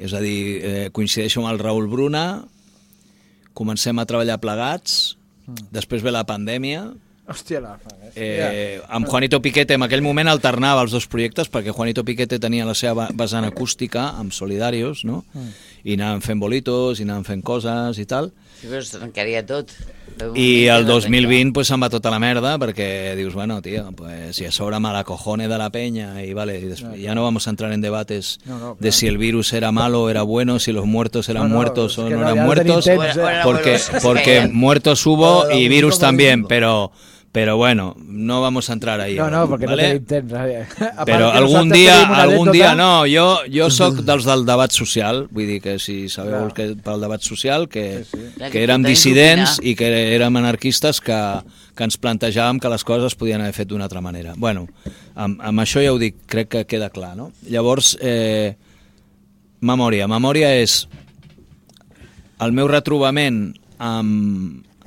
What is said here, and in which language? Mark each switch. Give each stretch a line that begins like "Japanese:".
Catalan: És a dir, coincideixo amb el Raül Bruna, comencem a treballar plegats, després ve la pandèmia... Hòstia, la fa, amb Juanito Piquete, en aquell moment alternava els dos projectes perquè Juanito Piquete tenia la seva vessant acústica amb Solidarios, no? I anàvem fent bolitos i anàvem fent coses i tal. I però es trencaria tot. I el 2020 pues, se'n va tota la merda perquè dius, bueno, tio, pues, ja sobra mala cojone de la penya i vale,
Spanish: ja no vamos a entrar en debates de si el virus era malo o era bueno, si los muertos eran muertos o no eran muertos, porque muertos hubo y virus también, pero bueno, no vamos a entrar ahí.
Catalan: No, porque ¿vale? No tenim temps. Però algun dia, no, jo sóc dels del debat social, vull dir que si sabeu que pel debat social, que érem dissidents i que érem anarquistes que ens plantejàvem que les coses podien haver fet d'una altra manera. Bueno, amb això ja ho dic, crec que queda clar, no? Llavors, memòria és el meu retrobament amb...